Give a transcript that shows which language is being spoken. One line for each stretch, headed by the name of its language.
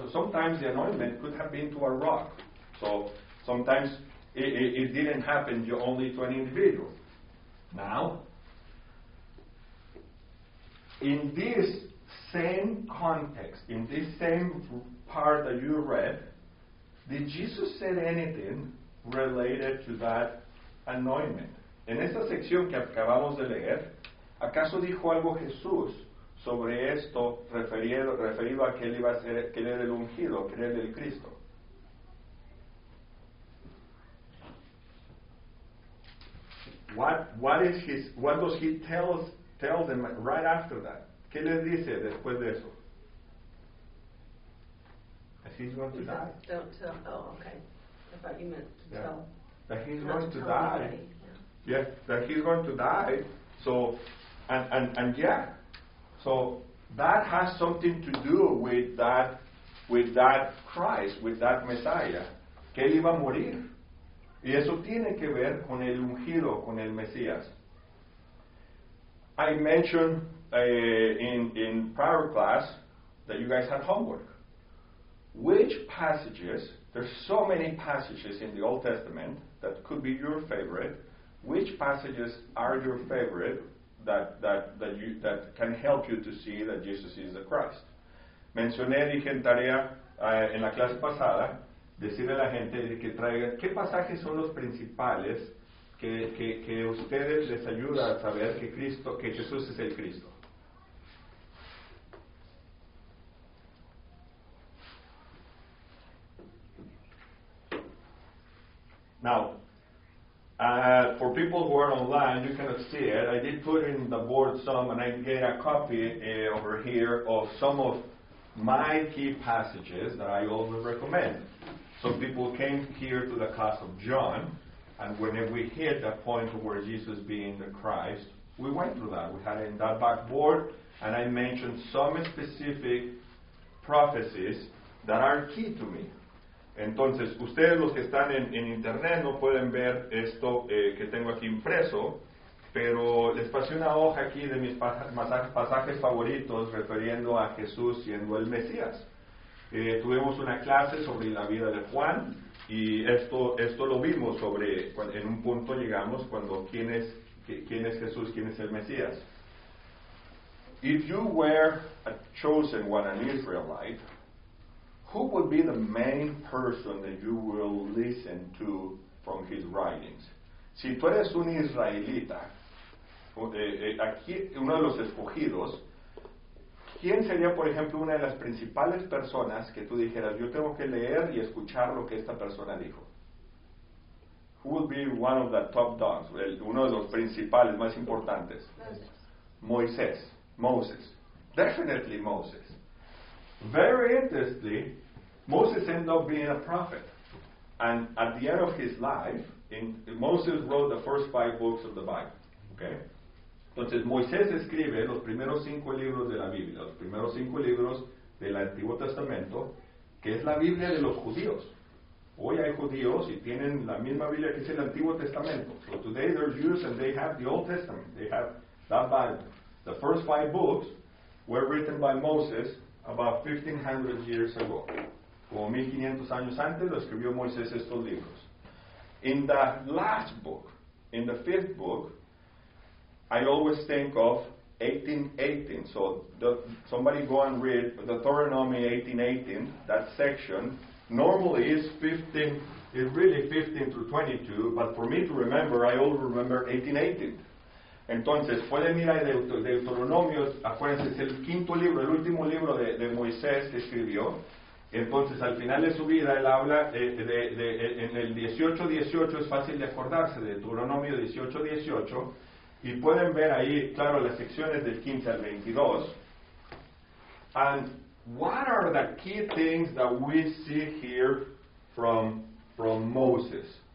English: So sometimes the anointment could have been to a rock. So sometimes it didn't happen only to an individual. Now, in this same context, in this same part that you read, did Jesus say anything related to that anointment?
Spanish: En esta sección que acabamos de leer, ¿acaso dijo algo Jesús sobre esto referido a que él iba a ser, que él era el ungido, que era el Cristo?
English: What does he tell them right after that?
Spanish: ¿Qué les dice después de eso?
English: That he's going to die. Don't tell. Oh, okay. I thought you meant to tell. That he's going to die. Yeah. That he's going to die. So, and yeah. So that has something to do with that Christ, with that Messiah.
Spanish: Que él iba a morir. Y eso tiene que ver con el ungido, con el Mesías.
English: I mentioned in prior class that you guys had homework. Which passages, there's so many passages in the Old Testament that could be your favorite. Which passages are your favorite that can help you to see that Jesus is the Christ?
Spanish: Mencioné, dije en tarea en la clase pasada, decirle a la gente que traiga qué pasajes son los principales que ustedes les ayuda a saber que Cristo, que Jesús es el Cristo.
English: Now, for people who are online, you cannot see it. I did put in the board some, and I get a copy over here of some of my key passages that I always recommend. Some people came here to the class of John, and whenever we hit that point where Jesus being the Christ, we went through that. We had it in that backboard, and I mentioned some specific prophecies that are key to me.
Spanish: Entonces, ustedes los que están en internet no pueden ver esto que tengo aquí impreso, pero les pasé una hoja aquí de mis pasajes favoritos refiriendo a Jesús siendo el Mesías. Tuvimos una clase sobre la vida de Juan y esto lo vimos sobre, en un punto llegamos cuando quién es Jesús, quién es el Mesías.
English: If you were a chosen one, an Israelite, who would be the main person that you will listen to from his writings?
Spanish: Si tú eres un israelita, aquí uno de los escogidos, ¿quién sería, por ejemplo, una de las principales personas que tú dijeras, yo tengo que leer y escuchar lo que esta persona dijo?
English: Who would be one of the top dogs?
Spanish: Uno de los principales, más importantes.
English: Moses. Moses. Definitely Moses. Very interestingly, Moses ended up being a prophet. And at the end of his life, Moses wrote the first five books of the Bible. Okay?
Spanish: Entonces, Moisés escribe los primeros cinco libros de la Biblia, los primeros cinco libros del Antiguo Testamento, que es la Biblia de los judíos. Hoy hay judíos y tienen la misma Biblia que es el Antiguo Testamento.
English: So today they're Jews and they have the Old Testament. They have that Bible. The first five books were written by Moses about 1500 years ago.
Spanish: Como 1500 años antes lo escribió Moisés estos libros.
English: In the last book, in the fifth book, I always think of 18:18. So somebody go and read Deuteronomy 18:18. That section normally is 15. It's really 15 through 22. But for me to remember, I always remember 18:18.
Spanish: Entonces, pueden ir a Deuteronomio. Acuérdense, es el quinto libro, el último libro de Moisés que escribió. Entonces, al final de su vida, él habla en el 18:18. Es fácil de acordarse de Deuteronomio 18:18. Y pueden ver ahí, claro, las secciones del 15 al 22.
English: And what are the key things that we see here from Moses?